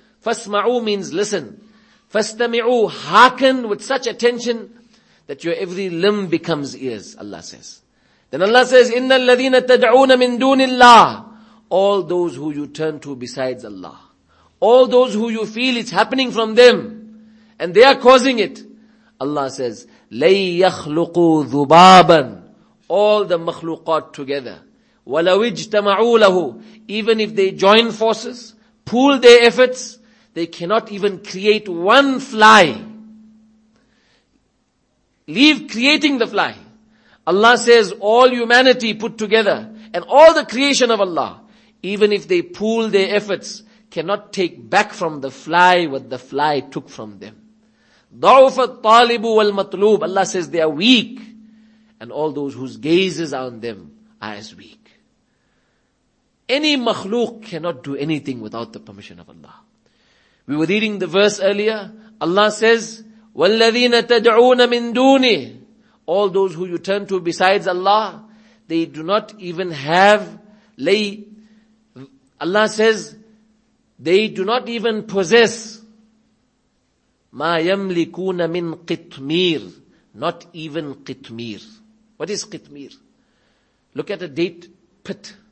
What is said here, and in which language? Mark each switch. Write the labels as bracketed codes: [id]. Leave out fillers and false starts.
[en] Fasma'u means listen. Fastami'u, hearken with such attention that your every limb becomes ears, Allah says. Then Allah says, [ar] Inna alladhina tad'una min dunillah. [en] All those who you turn to besides Allah. All those who you feel it's happening from them and they are causing it. Allah says, [ar] لَيْ يَخْلُقُوا ذُبَابًا. [en] All the makhluqat together. [ar] وَلَوْ اجْتَمَعُوا لَهُ. [en] Even if they join forces, pool their efforts, they cannot even create one fly. Leave creating the fly. Allah says, all humanity put together and all the creation of Allah, even if they pool their efforts, cannot take back from the fly what the fly took from them. [ar] ضَعُفَ الطَّالِبُ وَالْمَطْلُوبُ. [en] Allah says they are weak. And all those whose gazes are on them are as weak. Any makhluq cannot do anything without the permission of Allah. We were reading the verse earlier. Allah says, [ar] وَالَّذِينَ تَدْعُونَ مِن دُونِهِ. [en] All those who you turn to besides Allah, they do not even have lay. Allah says, they do not even possess [ar] مَا يَمْلِكُونَ مِنْ قِتْمِيرِ. [en] Not even قِتْمِيرِ. What is قِتْمِيرِ? Look at a date pit.